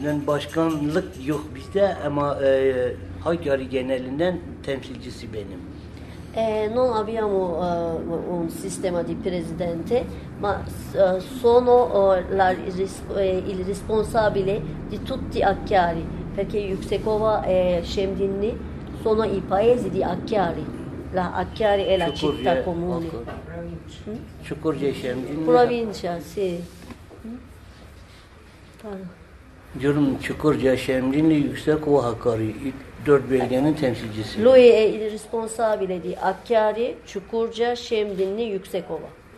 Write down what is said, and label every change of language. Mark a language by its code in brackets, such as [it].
[tr] Ben başkanlık yok bizde ama Hakkari genelinden temsilcisi benim. [it] Non abbiamo un sistema di presidente, ma sono il responsabile di tutti Hakkari, perché Yüksekova e Şemdinli sono i paesi di Hakkari. La Hakkari è la città comune. [tr] Çukurca Şemdinli. [it] Provincia, sì. [tr] Diyorum Çukurca Şemdinli Yüksekova Hakkari. Dört bölgenin temsilcisi. [it] Lui è il responsabile di Hakkari, Çukurca, Şemdinli, Yüksekova.